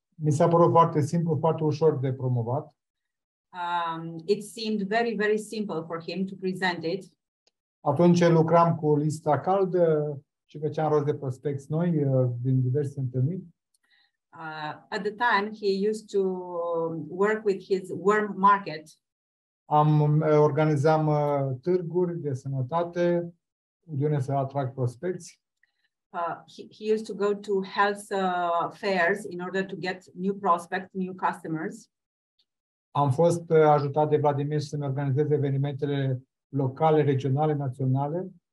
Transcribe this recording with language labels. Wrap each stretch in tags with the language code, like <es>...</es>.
<ro>Mi s-a părut foarte simplu, foarte ușor de promovat.</ro> <en>It seemed very, very simple for him to present it.</en> <ro>Atunci lucram cu lista caldă și făceam rost de prospecți noi din diverse întâlniri.</ro> <en>At the time, he used to work with his warm market.</en> <ro>Organizam târguri de sănătate, de unde să atrag prospecți.</ro> <en>He used to go to health fairs in order to get new prospects, new customers.</en> <ro>Am fost ajutat de Vladimir să-mi organizeze evenimentele locale, regionale, naționale.</ro>